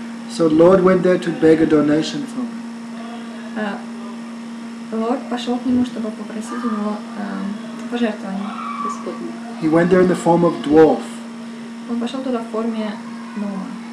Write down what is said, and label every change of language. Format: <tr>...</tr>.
<en>So Lord went there to beg a donation from him.</en> <ru>Lord пошел к нему, чтобы попросить у него пожертвование.</ru> <en>He went there in the form of dwarf.</en> <ru>Он пошел туда в форме гнома.</ru>